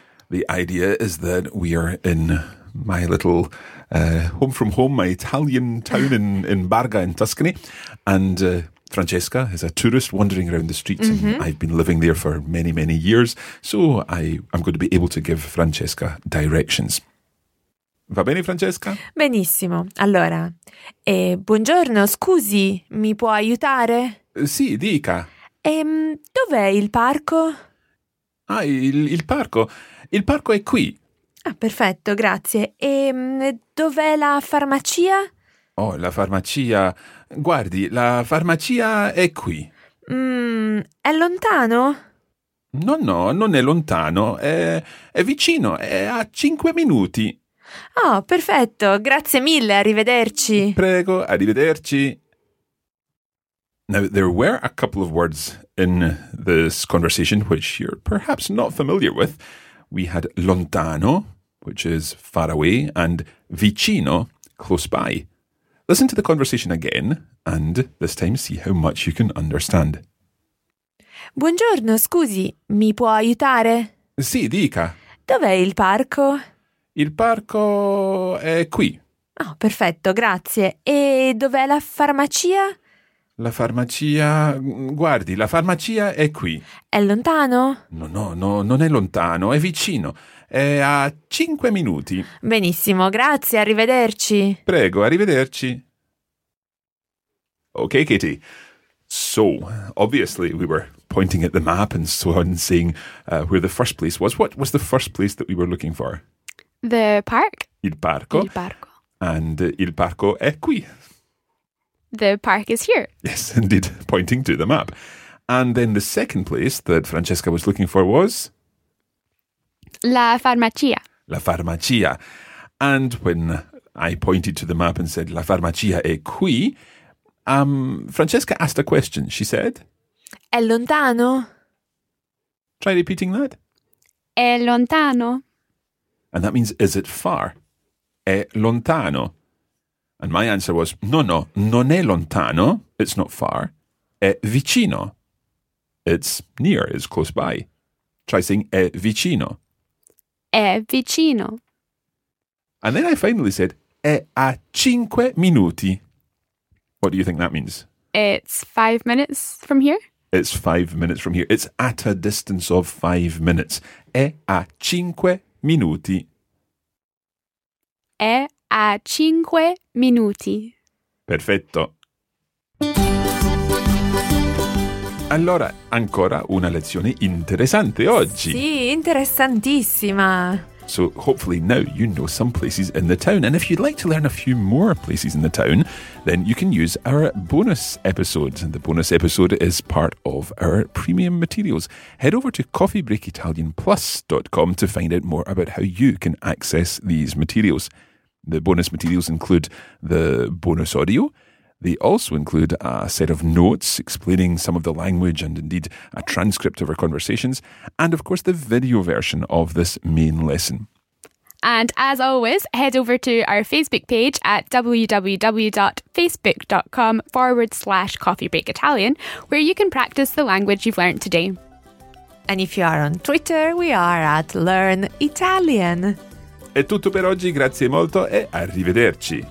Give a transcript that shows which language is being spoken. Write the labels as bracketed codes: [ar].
[en] The idea is that we are in my little home from home, my Italian town in Barga in Tuscany, and Francesca is a tourist wandering around the streets. Mm-hmm. And I've been living there for many, many years, so I'm going to be able to give Francesca directions. [it] Va bene, Francesca? Benissimo. Allora, buongiorno, scusi, mi può aiutare? Sì, dica. Dov'è il parco? Ah, il parco? Il parco è qui. Ah, perfetto, grazie. E dov'è la farmacia? Oh, la farmacia... Guardi, la farmacia è qui. È lontano? No, no, non è lontano. È vicino, è a 5 minuti. Oh, perfetto. Grazie mille. Arrivederci. Prego, arrivederci. [en] Now, there were a couple of words in this conversation which you're perhaps not familiar with. we had lontano, which is far away, and vicino, close by. Listen to the conversation again, and this time see how much you can understand. [it] Buongiorno, scusi, mi può aiutare? Sì, dica. Dov'è il parco? Il parco è qui. Oh, perfetto, grazie. E dov'è la farmacia? La farmacia... Guardi, la farmacia è qui. È lontano? No, no, no, non è lontano, è vicino. È a 5 minuti. Benissimo, grazie, arrivederci. Prego, arrivederci. Okay, Kitty. [en] So, obviously we were pointing at the map and so on, saying where the first place was. What was the first place that we were looking for? The park. [it] Il parco. Il parco. And il parco è qui. [en] The park is here. Yes, indeed, pointing to the map. And then the second place that Francesca was looking for was? [it] La farmacia. [en] La farmacia. And when I pointed to the map and said, [it] la farmacia è qui, [en] Francesca asked a question. She said? [it] È lontano. [en] Try repeating that. [it] È lontano. [en] And that means, is it far? [it] È lontano. [en] And my answer was, [it] no, no, non è lontano, [en] it's not far, [it] è vicino, [en] it's near, it's close by. Try saying [it] è vicino. È vicino. [en] And then I finally said, [it] è a 5 minuti. [en] What do you think that means? It's 5 minutes from here. It's 5 minutes from here. It's at a distance of 5 minutes. [it] È a 5 minuti. È a 5 minuti. Perfetto. Allora, ancora una lezione interessante oggi. Sì, interessantissima. [en] So, hopefully now you know some places in the town. And if you'd like to learn a few more places in the town, then you can use our bonus episode. And the bonus episode is part of our premium materials. Head over to coffeebreakitalianplus.com to find out more about how you can access these materials. The bonus materials include the bonus audio. They also include a set of notes explaining some of the language and indeed a transcript of our conversations. And of course, the video version of this main lesson. And as always, head over to our Facebook page at www.facebook.com/coffeebreakitalian, where you can practice the language you've learned today. And if you are on Twitter, we are at Learn Italian. [it] È tutto per oggi, grazie molto e arrivederci.